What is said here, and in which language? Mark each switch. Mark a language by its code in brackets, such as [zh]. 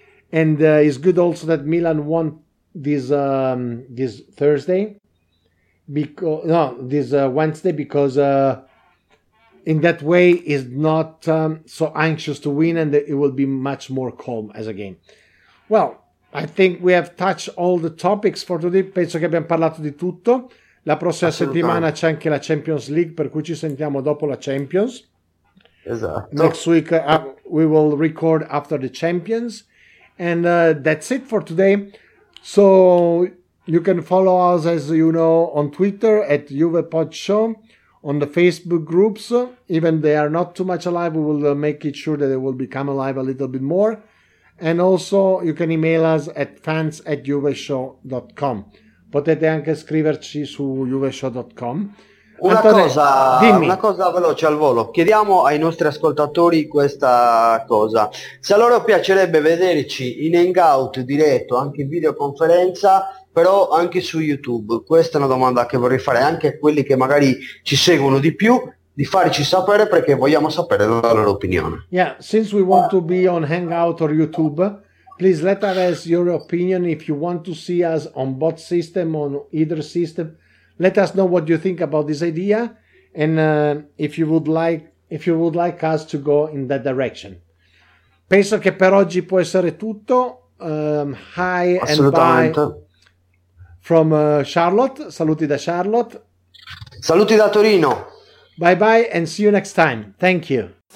[en] And it's good also that Milan won this Thursday, Wednesday, because in that way is not so anxious to win, and it will be much more calm as a game. Well, I think we have touched all the topics for today. [it] Penso che abbiamo parlato di tutto. La prossima settimana c'è anche la Champions League, per cui ci sentiamo dopo la Champions. Esatto. [en] Next week we will record after the Champions. And that's it for today. So you can follow us, as you know, on Twitter at Juve Pod Show, on the Facebook groups. Even they are not too much alive, we will make it sure that they will become alive a little bit more. And also you can email us at fans@juveshow.com. [it] Potete anche scriverci su juveshow.com. Una cosa veloce al volo. Chiediamo ai nostri ascoltatori questa cosa. Se a loro piacerebbe vederci in hangout diretto, anche in videoconferenza, però anche su YouTube. Questa è una domanda che vorrei fare anche a quelli che magari ci seguono di più, di farci sapere, perché vogliamo sapere la loro opinione. [en] Yeah, since we want to be on Hangout or YouTube, please let us your opinion. If you want to see us on both system, on either system, let us know what you think about this idea, and if you would like us to go in that direction. [it] Penso che per oggi può essere tutto. [en] Hi and bye from Charlotte. [it] Saluti da Charlotte. Saluti da Torino. [en] Bye bye and see you next time. Thank you.